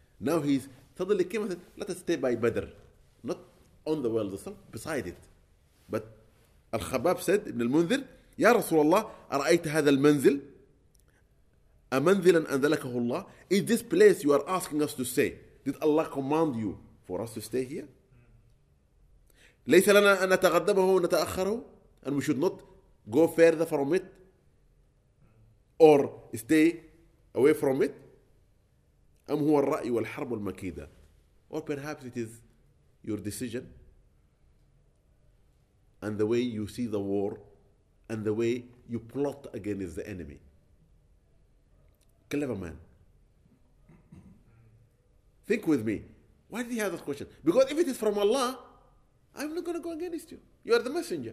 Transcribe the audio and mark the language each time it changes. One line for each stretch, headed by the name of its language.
English: Now he suddenly came and said, let us stay by Badr. Not on the world, beside it. But Al-Khabbab said, Ibn al-Munzir, Ya Rasulullah,
Arabic: أرأيت هذا المنزل أمنزلا أنزلكه الله.
English: Is this place you are asking us to stay? Did Allah command you for us to stay here?
Arabic: ليس لنا أن نتغدبه ونتأخره.
English: And we should not go further from it or stay away from it.
Arabic: أم هو الرأي والحرب المكيدة.
English: Or perhaps it is your decision and the way you see the war and the way you plot against the enemy. Clever man. Think with me. Why did he have this question? Because if it is from Allah, I'm not going to go against you. You are the messenger.